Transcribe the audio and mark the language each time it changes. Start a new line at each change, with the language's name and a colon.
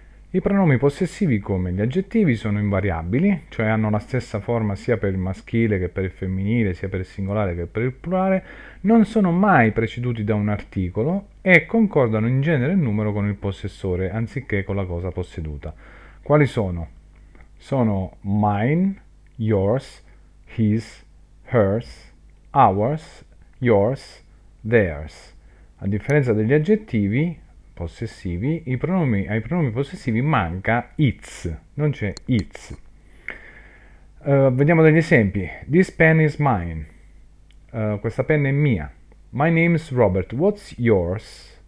Italian: I pronomi possessivi, come gli aggettivi, sono invariabili, cioè hanno la stessa forma sia per il maschile che per il femminile, sia per il singolare che per il plurale, non sono mai preceduti da un articolo e concordano in genere e numero con il possessore, anziché con la cosa posseduta. Quali sono?
English: Sono mine, yours, his, hers, ours, yours, theirs.
Italian: A differenza degli aggettivi possessivi, ai pronomi possessivi manca its, non c'è its. Vediamo degli esempi.
English: This pen is mine.
Italian: Questa penna è mia.
English: My name is Robert. What's yours?